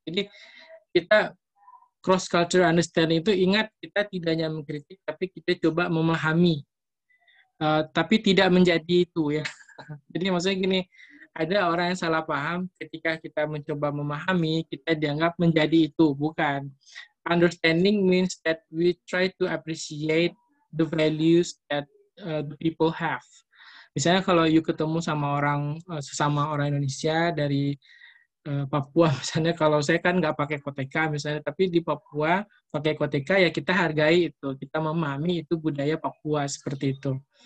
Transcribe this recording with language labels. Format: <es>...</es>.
<id>Jadi kita cross-cultural understanding itu ingat kita tidak hanya mengkritik, tapi kita coba memahami. Tapi tidak menjadi itu ya. Jadi maksudnya gini, ada orang yang salah paham ketika kita mencoba memahami, kita dianggap menjadi itu. Bukan.</id> <en>Understanding means that we try to appreciate the values that the people have.</en> <id>Misalnya kalau you ketemu sama orang, sesama orang Indonesia dari Papua, misalnya kalau saya kan nggak pakai koteka misalnya, tapi di Papua pakai koteka ya kita hargai itu, kita memahami itu budaya Papua seperti itu.</id>